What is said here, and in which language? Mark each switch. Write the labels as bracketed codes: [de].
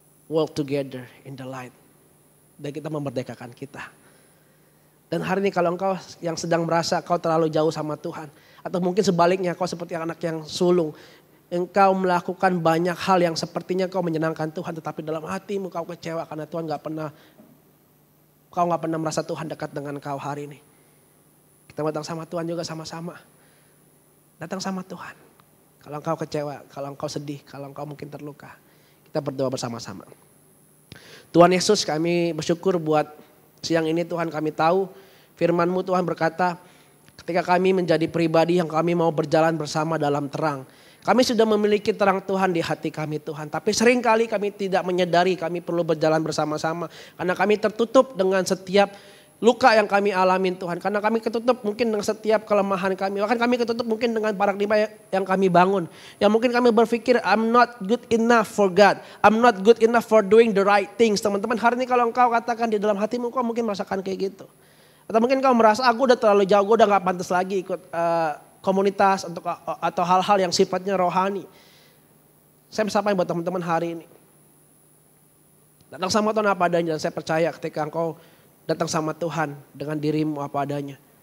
[en] Walk together in the light. [id] Dan kita memerdekakan kita. Dan hari ini kalau engkau yang sedang merasa kau terlalu jauh sama Tuhan. Atau mungkin sebaliknya kau seperti anak yang sulung. Engkau melakukan banyak hal yang sepertinya kau menyenangkan Tuhan. Tetapi dalam hatimu kau kecewa karena Tuhan gak pernah. Kau gak pernah merasa Tuhan dekat dengan kau hari ini. Kita datang sama Tuhan juga sama-sama. Datang sama Tuhan. Kalau engkau kecewa, kalau engkau sedih, kalau engkau mungkin terluka. Kita berdoa bersama-sama. Tuhan Yesus, kami bersyukur buat siang ini Tuhan, kami tahu firman-Mu Tuhan berkata, ketika kami menjadi pribadi yang kami mau berjalan bersama dalam terang. Kami sudah memiliki terang Tuhan di hati kami Tuhan. Tapi seringkali kami tidak menyadari kami perlu berjalan bersama-sama. Karena kami tertutup dengan setiap luka yang kami alamin Tuhan. Karena kami ketutup mungkin dengan setiap kelemahan kami. Bahkan kami ketutup mungkin dengan paradigma yang kami bangun. Yang mungkin kami berpikir, [en] I'm not good enough for God. I'm not good enough for doing the right things. [id] Teman-teman, hari ini kalau engkau katakan di dalam hatimu, kau mungkin merasakan kayak gitu. Atau mungkin kau merasa, aku udah terlalu jauh, gue udah gak pantas lagi ikut komunitas atau hal-hal yang sifatnya rohani. Saya sampaikan buat teman-teman hari ini. Datang sama Tuhan apa adanya. Dan saya percaya ketika engkau datang sama Tuhan dengan dirimu apa adanya.